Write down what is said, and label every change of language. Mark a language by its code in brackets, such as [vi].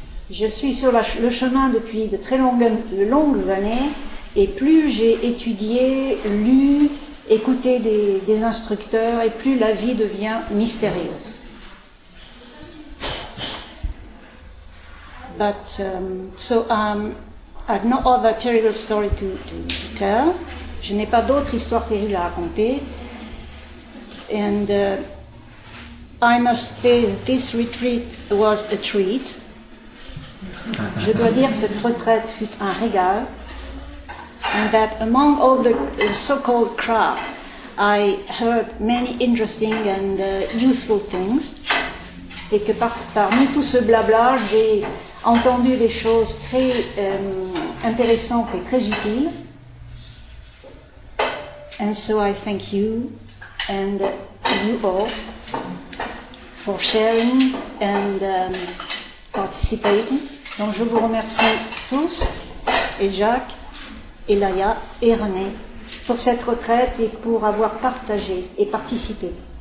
[fr] Je suis sur le chemin depuis de très longues années, et plus j'ai étudié, lu, écouté des instructeurs, et plus la vie devient mystérieuse. [en] But I've no other terrible story to tell. [fr] Je n'ai pas d'autres histoires terribles à raconter. [en] And I must say this retreat was a treat. [fr] Je dois dire que cette retraite fut un régal. [en] And that among all the so-called crap, I heard many interesting and useful things. [fr] Et que parmi tout ce blabla, j'ai entendu des choses très intéressantes et très utiles. [en] And so I thank you and you all for sharing and participating. [fr] Donc je vous remercie tous, et Jacques, et Laïa, et René, pour cette retraite et pour avoir partagé et participé.